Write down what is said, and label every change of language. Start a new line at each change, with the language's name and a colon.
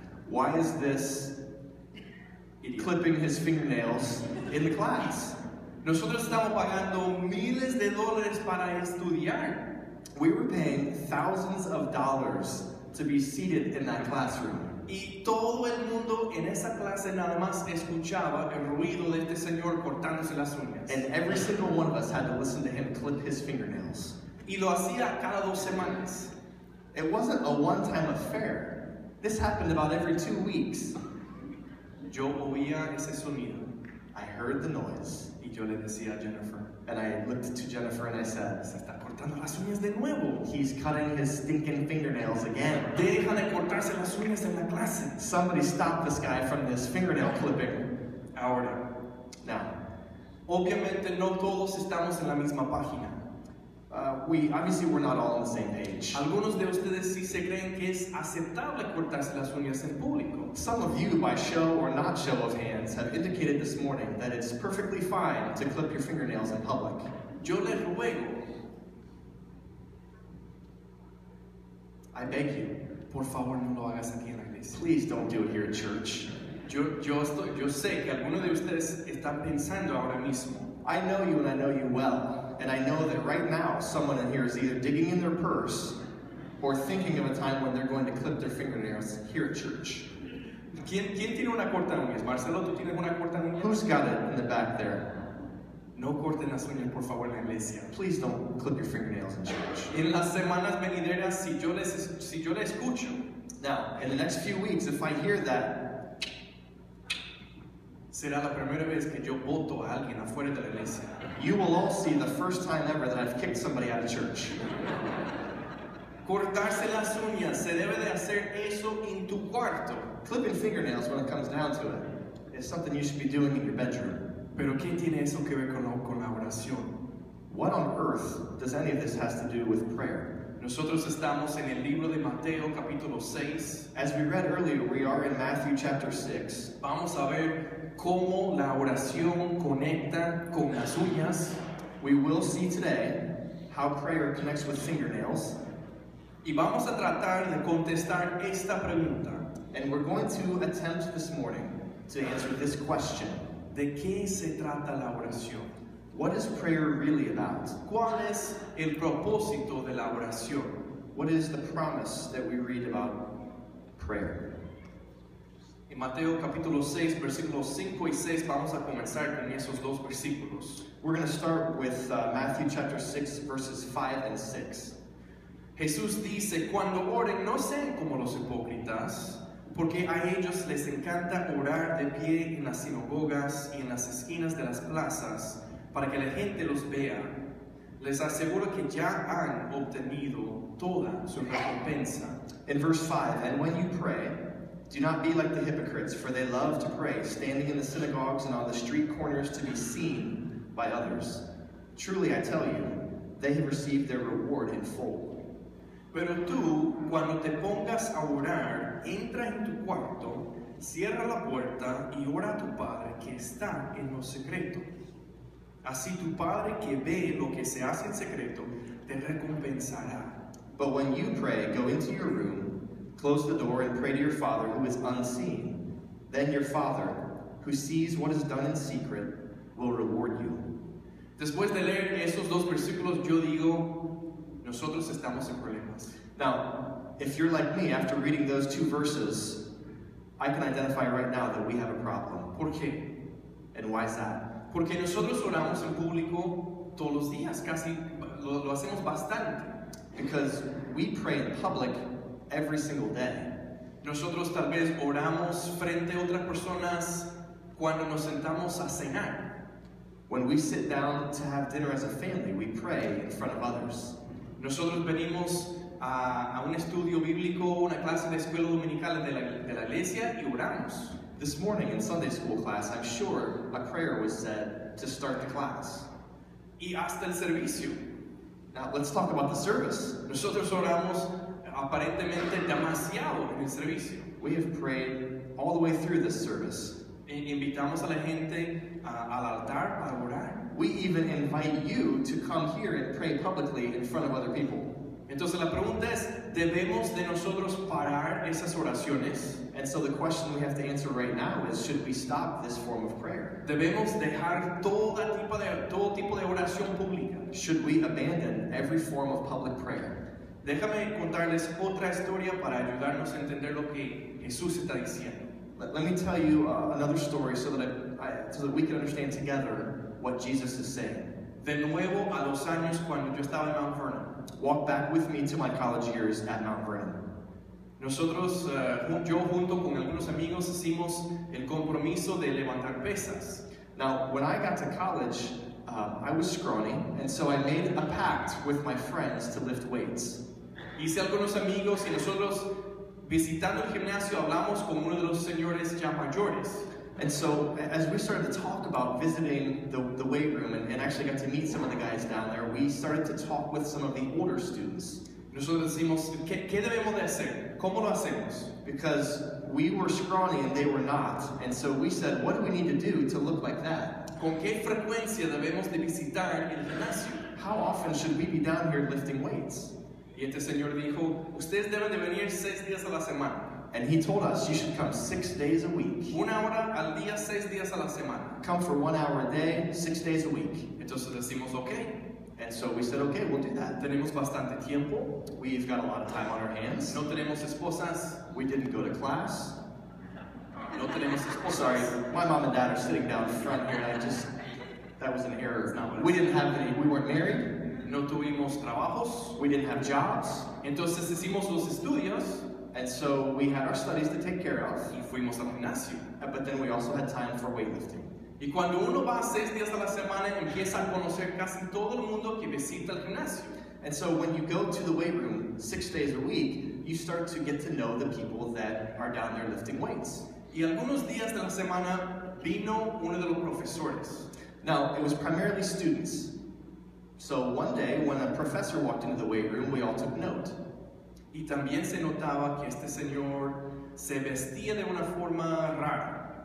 English: Why is this idiot clipping his fingernails in the class?
Spanish: Nosotros estamos pagando miles de dólares para estudiar.
English: We were paying thousands of dollars to be seated in that classroom.
Spanish: Y todo el mundo en esa clase nada más escuchaba el ruido de este señor cortándose las uñas.
English: And every single one of us had to listen to him clip his fingernails.
Spanish: Y lo hacía cada dos semanas.
English: It wasn't a one-time affair. This happened about every 2 weeks.
Spanish: Yo oía ese sonido.
English: I heard the noise.
Spanish: Y yo le decía a Jennifer.
English: And I looked to Jennifer and I said,
Spanish: se está cortando las uñas de nuevo.
English: He's cutting his stinking fingernails again.
Spanish: Dejan de cortarse las uñas en la clase.
English: Somebody stop this guy from this fingernail clipping.
Spanish: Ahora.
English: Now.
Spanish: Obviamente no todos estamos en la misma página.
English: We're not all on the same page.
Spanish: Algunos de ustedes sí se creen que es aceptable cortarse las uñas en público.
English: Some of you, by show or not show of hands, have indicated this morning that it's perfectly fine to clip your fingernails in public.
Spanish: Yo les ruego.
English: I beg you.
Spanish: Por favor, no lo hagas aquí en la iglesia.
English: Please don't do it here at church.
Spanish: Yo sé que algunos de ustedes están pensando ahora mismo.
English: I know you and I know you well. And I know that right now, someone in here is either digging in their purse or thinking of a time when they're going to clip their fingernails here at church.
Spanish: ¿Quién tiene una corta uñas? Marcelo, ¿tú tienes una corta uñas?
English: Who's got it in the back there?
Spanish: No corten las uñas, por favor, en la iglesia.
English: Please don't clip your fingernails in church.
Spanish: En las semanas venideras, si yo les escucho.
English: Now, in the next few weeks, if I hear that,
Spanish: será la primera vez que yo voto a alguien afuera de la iglesia.
English: You will all see the first time ever that I've kicked somebody out of church.
Spanish: Cortarse las uñas se debe de hacer eso en tu cuarto.
English: Clipping fingernails, when it comes down to it, is something you should be doing in your bedroom.
Spanish: Pero ¿qué tiene eso que ver con la oración?
English: What on earth does any of this have to do with prayer?
Spanish: Nosotros estamos en el libro de Mateo, capítulo 6.
English: As we read earlier, we are in Matthew, chapter 6.
Spanish: Vamos a ver cómo la oración conecta con las uñas.
English: We will see today how prayer connects with fingernails.
Spanish: Y vamos a tratar de contestar esta pregunta.
English: And we're going to attempt this morning to answer this question.
Spanish: ¿De qué se trata la oración?
English: What is prayer really about?
Spanish: ¿Cuál es el propósito de la oración?
English: What is the promise that we read about prayer?
Spanish: En Mateo capítulo 6, versículos 5 y 6, vamos a comenzar con esos dos versículos.
English: We're going to start with Matthew chapter 6, verses 5 and 6.
Spanish: Jesús dice, cuando oren, no sean como los hipócritas, porque a ellos les encanta orar de pie en las sinagogas y en las esquinas de las plazas, para que la gente los vea. Les aseguro que ya han obtenido toda su recompensa.
English: In verse 5, and when you pray, do not be like the hypocrites, for they love to pray, standing in the synagogues and on the street corners to be seen by others. Truly, I tell you, they have received their reward in full.
Spanish: Pero tú, cuando te pongas a orar, entra en tu cuarto, cierra la puerta y ora a tu Padre que está en lo secreto. Así tu Padre que ve lo que se hace en secreto, te recompensará.
English: But when you pray, go into your room, close the door, and pray to your Father who is unseen. Then your Father, who sees what is done in secret, will reward you.
Spanish: Después de leer esos dos versículos, yo digo, nosotros estamos en problemas.
English: Now, if you're like me, after reading those two verses, I can identify right now that we have a problem.
Spanish: ¿Por qué?
English: And why is that?
Spanish: Porque nosotros oramos en público todos los días, casi lo hacemos bastante.
English: Because we pray in public every single day.
Spanish: Nosotros tal vez oramos frente a otras personas cuando nos sentamos a cenar.
English: When we sit down to have dinner as a family, we pray in front of others.
Spanish: Nosotros venimos a un estudio bíblico, una clase de escuela dominical de la iglesia y oramos.
English: This morning in Sunday school class, I'm sure a prayer was said to start the class.
Spanish: Y hasta el servicio.
English: Now, let's talk about the service.
Spanish: Nosotros oramos aparentemente demasiado en el servicio.
English: We have prayed all the way through this service.
Spanish: Invitamos a la gente al altar para orar.
English: We even invite you to come here and pray publicly in front of other people.
Spanish: Entonces la pregunta es, ¿debemos de nosotros parar esas oraciones?
English: And so the question we have to answer right now is, should we stop this form of prayer?
Spanish: ¿Debemos dejar todo tipo de oración pública?
English: Should we abandon every form of public prayer?
Spanish: Déjame contarles otra historia para ayudarnos a entender lo que Jesús está diciendo.
English: Let me tell you another story so that we can understand together what Jesus is saying.
Spanish: De nuevo a los años cuando yo estaba en Mount Vernon.
English: Walk back with me to my college years at Mount Vernon.
Spanish: Nosotros, yo junto con algunos amigos, hicimos el compromiso de levantar pesas.
English: Now, when I got to college, I was scrawny, and so I made a pact with my friends to lift weights.
Spanish: Hice algunos amigos y nosotros, visitando el gimnasio, hablamos con uno de los señores ya mayores.
English: And so, as we started to talk about visiting the weight room and actually got to meet some of the guys down there, we started to talk with some of the older students.
Spanish: Nosotros decimos, ¿qué debemos de hacer? ¿Cómo lo hacemos?
English: Because we were scrawny and they were not. And so we said, what do we need to do to look like that?
Spanish: ¿Con qué frecuencia debemos de visitar el gimnasio?
English: How often should we be down here lifting weights?
Spanish: Y este señor dijo, ustedes deben de venir 6 días a la semana.
English: And he told us, you should come 6 days a week.
Spanish: Una hora al día, 6 días a la semana.
English: Come for 1 hour a day, 6 days a week.
Spanish: Entonces decimos, okay.
English: And so we said, okay, we'll do that.
Spanish: Tenemos bastante tiempo.
English: We've got a lot of time on our hands.
Spanish: No tenemos esposas.
English: We didn't go to class.
Spanish: No tenemos esposas.
English: Sorry, my mom and dad are sitting down front here. That was an error. We weren't married.
Spanish: No tuvimos trabajos.
English: We didn't have jobs.
Spanish: Entonces hicimos los estudios.
English: And so we had our studies to take care of.
Spanish: Y fuimos al gimnasio.
English: But then we also had time for weightlifting.
Spanish: Y cuando uno va 6 días a la semana, empieza a conocer casi todo el mundo que visita el gimnasio.
English: And so when you go to the weight room 6 days a week, you start to get to know the people that are down there lifting weights.
Spanish: Y algunos días de la semana, vino uno de los profesores.
English: Now, it was primarily students. So one day, when a professor walked into the weight room, we all took note.
Spanish: Y también se notaba que este señor se vestía de una forma rara.